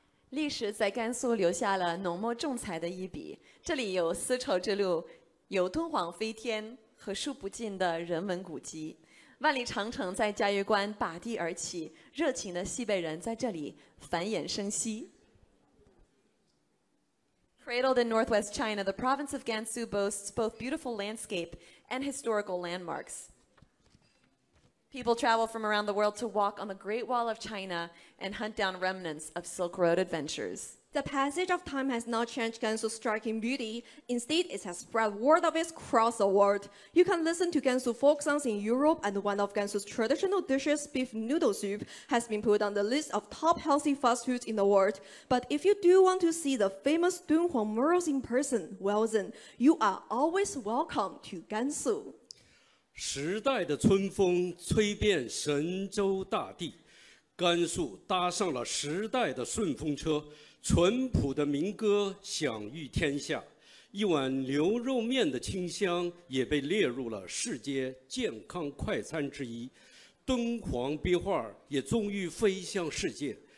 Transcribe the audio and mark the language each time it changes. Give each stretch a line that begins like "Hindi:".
Chinese: 历史在甘肃留下了浓墨重彩的一笔，这里有丝绸之路，有敦煌飞天和数不尽的人文古迹。万里长城在嘉峪关拔地而起，热情的西北人在这里繁衍生息。
English: Cradled in northwest China, the province of Gansu boasts both beautiful landscape and historical landmarks. People travel from around the world to walk on the Great Wall of China and hunt down remnants of Silk Road adventures. The passage of time has not changed Gansu's striking beauty. Instead, it has spread word of it across the world. You can listen to Gansu folk songs in Europe, and one of Gansu's traditional dishes, beef noodle soup, has been put on the list of top healthy fast foods in the world. But if you do want to see the famous Dunhuang murals in person, well then, you are always welcome to Gansu.
Chinese: 时代的春风吹遍神州大地，甘肃搭上了时代的顺风车，淳朴的民歌享誉天下，一碗牛肉面的清香也被列入了世界健康快餐之一，敦煌壁画也终于飞向世界。